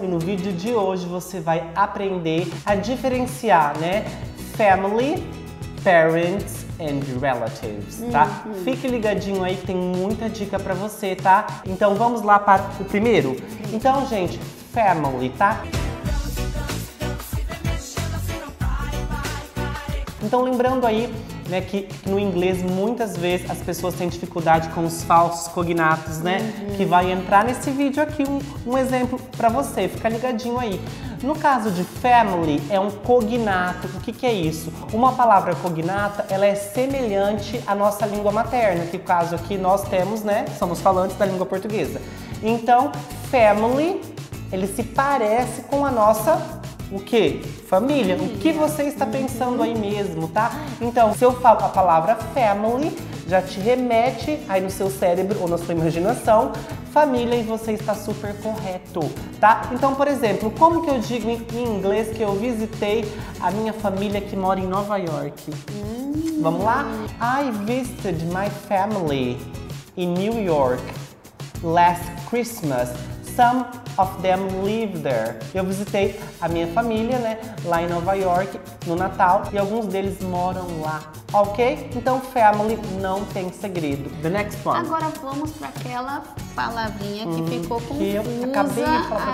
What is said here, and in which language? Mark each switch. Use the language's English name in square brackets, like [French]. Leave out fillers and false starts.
[Portuguese] E no vídeo de hoje você vai aprender a diferenciar, né? [English] Family, parents and relatives, tá? Uh-huh. [Portuguese] Fique ligadinho aí que tem muita dica pra você, tá? Então vamos lá para o primeiro. Então, gente, family, tá? Então lembrando aí, né, que no inglês muitas vezes as pessoas têm dificuldade com os falsos cognatos, né? Uhum. Que vai entrar nesse vídeo aqui um exemplo pra você, fica ligadinho aí. No caso de family, é um cognato. O que, que é isso? Uma palavra cognata, ela é semelhante à nossa língua materna, que no caso aqui nós temos, né? Somos falantes da língua portuguesa. Então, family, ele se parece com a nossa... O que? Família. O que você está pensando aí mesmo, tá? Então, se eu falo a palavra family, já te remete aí no seu cérebro ou na sua imaginação, família, e você está super correto, tá? Então, por exemplo, como que eu digo em inglês que eu visitei a minha família que mora em Nova York? Vamos lá? [English] I visited my family in New York last Christmas. Some of them live there. [Portuguese] Eu visitei a minha família, né, lá em Nova York, no Natal, e alguns deles moram lá, ok? Então, family não tem segredo. [English] The next one. [Portuguese] Agora vamos para aquela palavrinha que ficou confusa que eu acabei de falar pra